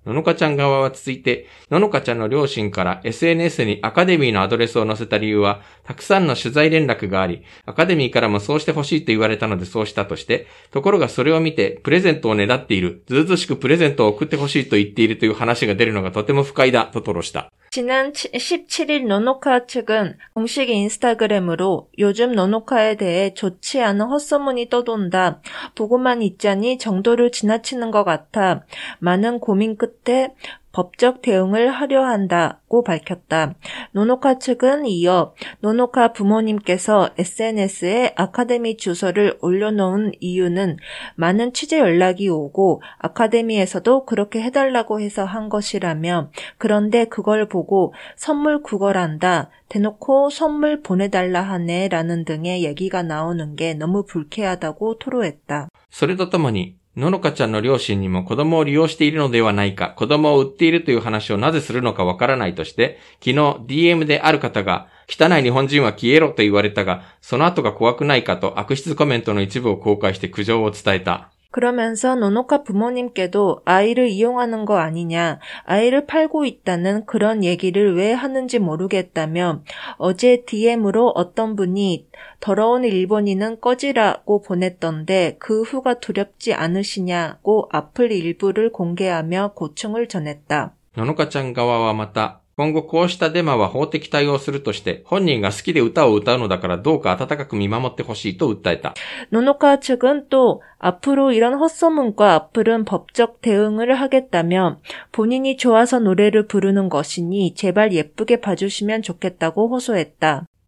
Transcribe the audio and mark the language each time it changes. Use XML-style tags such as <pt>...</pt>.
<ja>ののかちゃん側は続いて、ののかちゃんの両親から SNS にアカデミーのアドレスを載せた理由は、たくさんの取材連絡があり、アカデミーからもそうしてほしいと言われたのでそうしたとして、ところがそれを見て、プレゼントをねだっている、ずうずしくプレゼントを送ってほしいと言っているという話が出るのがとても不快だ、と吐露した。</ja> <ko>지난17일노노카측은공식인스타그램으로요즘노노카에대해좋지않은헛소문이떠돈다보고만있자니정도를지나치는것같아많은고민끝에 법적 대응을 하려 한다고 밝혔다. 노노카 측은 이어 노노카 부모님께서 SNS에 아카데미 주소를 올려놓은 이유는 많은 취재 연락이 오고 아카데미에서도 그렇게 해달라고 해서 한 것이라며 그런데 그걸 보고 선물 구걸한다. 대놓고 선물 보내달라 하네 라는 등의 얘기가 나오는 게 너무 불쾌하다고 토로했다.</ko> <ja>それとともに ののかちゃんの両親にも子供を利用しているのではないか、子供を売っているという話をなぜするのかわからないとして、昨日DMである方が汚い日本人は消えろと言われたが、その後が怖くないかと悪質コメントの一部を公開して苦情を伝えた。</ja> <ko>그러면서 노노카 부모님께도 아이를 이용하는 거 아니냐, 아이를 팔고 있다는 그런 얘기를 왜 하는지 모르겠다며 어제 DM으로 어떤 분이 더러운 일본인은 꺼지라고 보냈던데 그 후가 두렵지 않으시냐고 악플 일부를 공개하며 고충을 전했다.</ko> <ja>노노카ちゃん側はまた 今後こうしたデマは法的対応するとして、本人が好きで歌を歌うのだからどうか温かく見守ってほしいと訴えた。</ja> <ko>노노카 측은 또 앞으로 이런 헛소문과 악플은 법적 대응을 하겠다며 본인이 좋아서 노래를 부르는 것이니 제발 예쁘게 봐주시면 좋겠다고 호소했다.</ko>